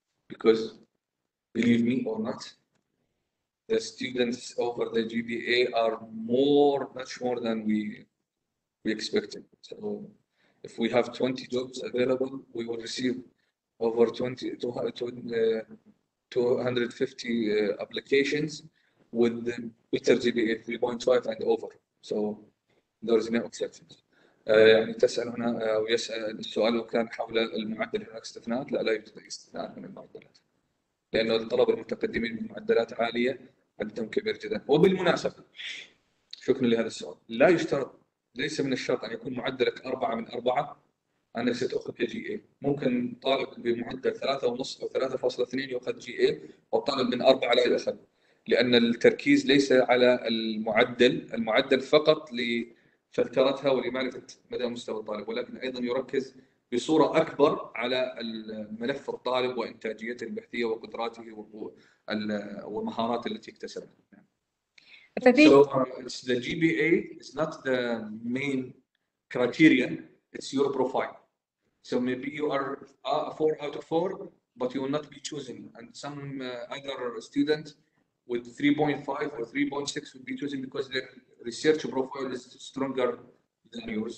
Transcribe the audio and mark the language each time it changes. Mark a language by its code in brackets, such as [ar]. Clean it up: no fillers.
[en] Because believe me or not, the students over the GPA are much more than we expected. So if we have 20 jobs available, we will receive over 250 applications with the better GPA 3.5 and over. So there is no exceptions. [ar] يعني تسأل هنا ويسأل السؤال كان حول المعدل هناك استثناءات؟ لا يوجد استثناء من المعدلات. لأن الطلبة المتقدمين بمعدلات عالية عددهم كبير جدا وبالمناسبة شكرا لهذا السؤال لا يشترط ليس من الشرط أن يكون معدلك 4 من 4 أنك ستأخذ جي اي ممكن طالب بمعدل 3.5 أو 3.2 يأخذ جي اي وطالب من 4 لا يأخذ لأن التركيز ليس على المعدل فقط لفلترتها ولمعرفة مدى مستوى الطالب ولكن أيضا يركز بصورة أكبر على ملف الطالب وإنتاجيته البحثية وقدراته والمهارات التي اكتسبها. [en] So it's the GPA is not the main criteria. It's your profile. So maybe you are a 4 out of 4, but you will not be choosing. And some other student with 3.5 or 3.6 would be choosing because their research profile is stronger than yours.